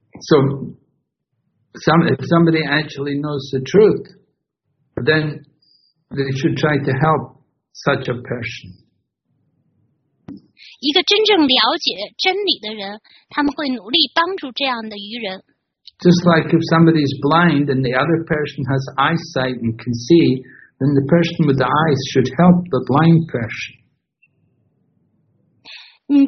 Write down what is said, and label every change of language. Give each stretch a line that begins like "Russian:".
English: So, if somebody actually knows the truth, then they should try to help such a person.
Chinese: 一个真正了解真理的人，他们会努力帮助这样的愚人。
English: Just like if somebody is blind and the other person has eyesight and can see, then the person with the eyes should help the blind person.